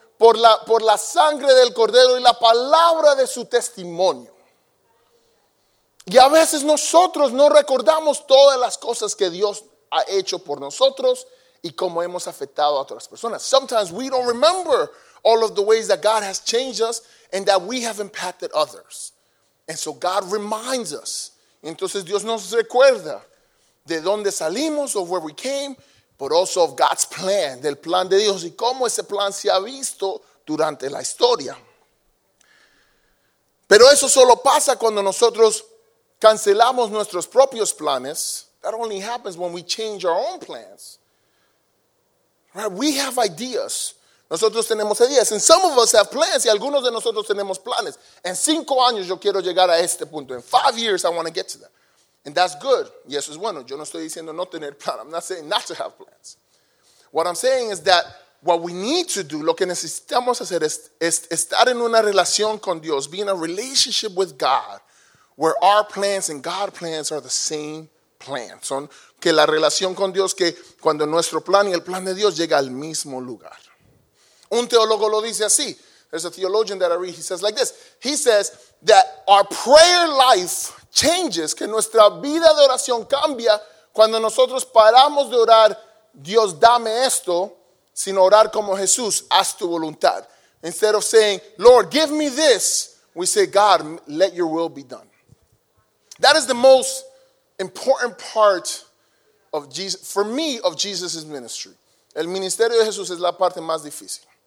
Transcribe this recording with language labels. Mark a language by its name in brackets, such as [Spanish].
[Spanish] Por la sangre del cordero y la palabra de su testimonio. Y a veces nosotros no recordamos todas las cosas que Dios ha hecho por nosotros y cómo hemos afectado a otras personas. [English] Sometimes we don't remember all of the ways that God has changed us and that we have impacted others. And so God reminds us. [Spanish] Entonces Dios nos recuerda de dónde salimos, [English] of where we came, but also of God's plan, [Spanish] del plan de Dios, y cómo ese plan se ha visto durante la historia. Pero eso solo pasa cuando nosotros cancelamos nuestros propios planes. [English] That only happens when we change our own plans. Right? We have ideas. [Spanish] Nosotros tenemos ideas. [English] And some of us have plans. [Spanish] Y algunos de nosotros tenemos planes. En 5 años yo quiero llegar a este punto. [English] In 5 years I want to get to that. And that's good. [Spanish] Y eso es bueno. Yo no estoy diciendo no tener plan. [English] I'm not saying not to have plans. What I'm saying is that what we need to do, [Spanish] lo que necesitamos hacer es estar en una relación con Dios. [English] Be in a relationship with God. Where our plans and God's plans are the same plan. [Spanish] Son que la relación con Dios, que cuando nuestro plan y el plan de Dios llega al mismo lugar. Un teólogo lo dice así. [English] There's a theologian that I read. He says like this. He says that our prayer life changes. [Spanish] Que nuestra vida de oración cambia cuando nosotros paramos de orar, Dios dame esto, sino orar como Jesús, haz tu voluntad. [English] Instead of saying, Lord, give me this, we say, God, let your will be done. That is the most important part of Jesus, for me, of Jesus' ministry. [Spanish] El ministerio de Jesús es la parte más difícil.